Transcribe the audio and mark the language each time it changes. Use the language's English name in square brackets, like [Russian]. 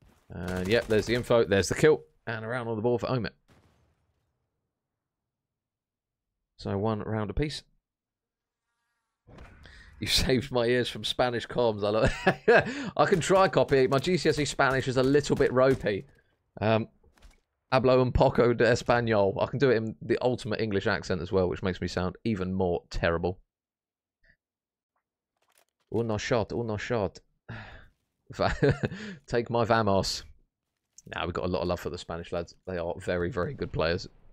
[English] And yep, there's the info. There's the kill. And a round on the ball for Omit. So one round apiece. You saved my ears from Spanish comms. I can try copy. My GCSE Spanish is a little bit ropey. [Spanish] Hablo un poco de español. [English] I can do it in the ultimate English accent as well, which makes me sound even more terrible. [Spanish] Uno [English] shot, [Spanish] uno [English] shot. Take my [Spanish] vamos. [English] Now we've got a lot of love for the Spanish lads. They are very, very good players.